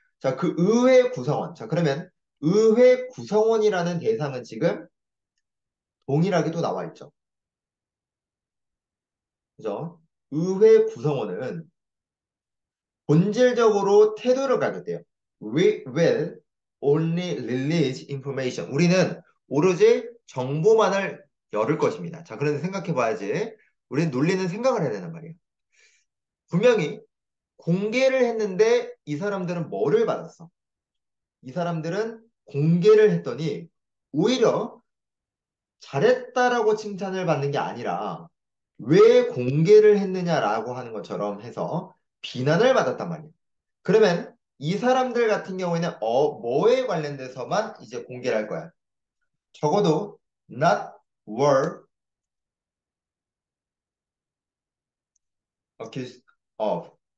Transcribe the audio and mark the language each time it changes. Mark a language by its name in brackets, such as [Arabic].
[Korean] 자, 그 의회 구성원. 자, 그러면 의회 구성원이라는 대상은 지금 동일하게 또 나와 있죠. 그죠? 의회 구성원은 본질적으로 태도를 가게 돼요. [English] We will only release information. [Korean] 우리는 오로지 정보만을 열을 것입니다. 자, 그런데 생각해 봐야지. 우리는 논리는 생각을 해야 되는 말이에요. 분명히 공개를 했는데 이 사람들은 뭐를 받았어? 이 사람들은 공개를 했더니 오히려 잘했다라고 칭찬을 받는 게 아니라 왜 공개를 했느냐라고 하는 것처럼 해서 비난을 받았단 말이에요. 그러면 이 사람들 같은 경우에는 뭐에 관련돼서만 이제 공개를 할 거야? 적어도 [English] not were accused of.